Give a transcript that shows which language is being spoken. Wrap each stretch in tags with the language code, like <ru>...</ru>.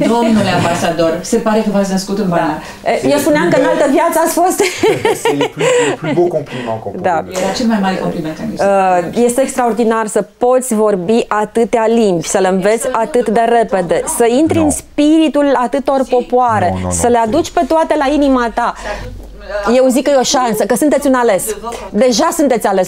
<ro>Domnule ambasador, se pare că v-ați născut în banal. Eu spuneam că în altă viață ați fost.</ro> <fr>C'est le plus beau compliment qu'on peut.</fr> <ro>Da, era cel mai mare compliment că mi-a spus. Este extraordinar să poți vorbi atâtea limbi, să le înveți atât de repede, să intri în spiritul atâtor popoare, să le aduci pe toate la inima ta. Eu zic că e o șansă, că sunteți un ales. Deja sunteți ales.</ro>